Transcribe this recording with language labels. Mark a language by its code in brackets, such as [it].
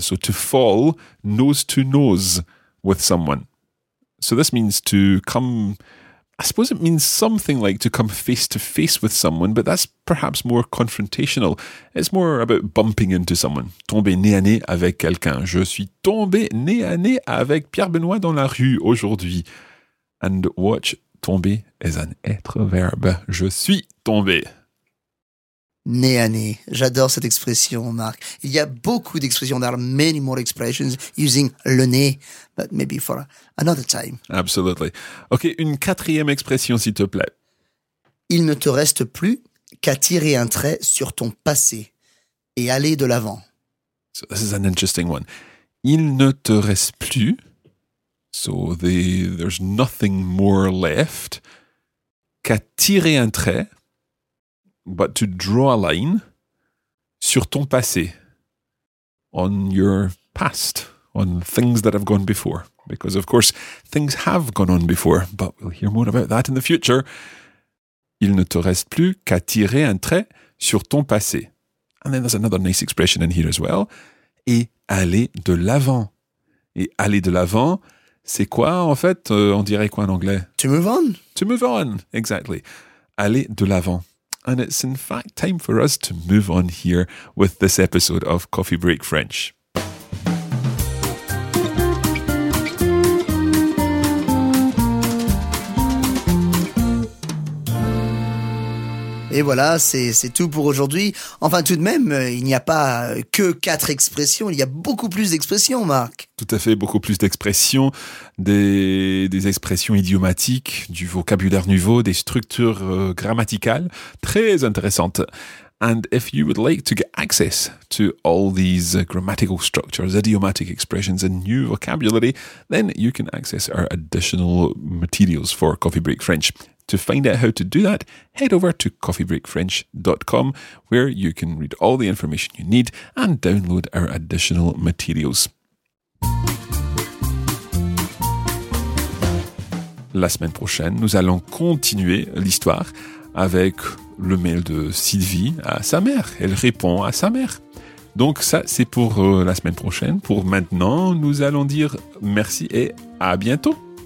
[en] So to fall nose to nose with someone. So this means to come... I suppose it means something like to come face to face with someone, but that's perhaps more confrontational. It's more about bumping into someone. [fr] Tomber nez à nez avec quelqu'un. Je suis tombé nez à nez avec Pierre Benoît dans la rue aujourd'hui. [en] And watch, tomber is an être verbe. [fr] Je suis tombé. Nez à nez. J'adore cette expression, Marc. Il y a beaucoup d'expressions. [en] There are many more expressions using le nez, but maybe for another time. Absolutely. [fr] Ok, une quatrième expression, s'il te plaît. Il ne te reste plus qu'à tirer un trait sur ton passé et aller de l'avant. [en] So this is an interesting one. [fr] Il ne te reste plus. [en] So there's nothing more left. [fr] Qu'à tirer un trait. [en] But to draw a line [fr] sur ton passé, [en] on your past, on things that have gone before. Because, of course, things have gone on before, but we'll hear more about that in the future. [fr] Il ne te reste plus qu'à tirer un trait sur ton passé. [en] And then there's another nice expression in here as well. [fr] Et aller de l'avant. Et aller de l'avant, c'est quoi, en fait, on dirait quoi en anglais? [en] To move on. To move on, exactly. [fr] Aller de l'avant. [en] And it's in fact time for us to move on here with this episode of Coffee Break French. [fr] Et voilà, c'est tout pour aujourd'hui. Enfin, tout de même, il n'y a pas que quatre expressions, il y a beaucoup plus d'expressions, Marc. Tout à fait, beaucoup plus d'expressions, des expressions idiomatiques, du vocabulaire nouveau, des structures grammaticales très intéressantes. [en] And if you would like to get access to all these grammatical structures, idiomatic expressions and new vocabulary, then you can access our additional materials for Coffee Break French. To find out how to do that, head over to coffeebreakfrench.com where you can read all the information you need and download our additional materials. [fr] La semaine prochaine, nous allons continuer l'histoire avec le mail de Sylvie à sa mère. Elle répond à sa mère. Donc ça, c'est pour la semaine prochaine. Pour maintenant, nous allons dire merci et à bientôt.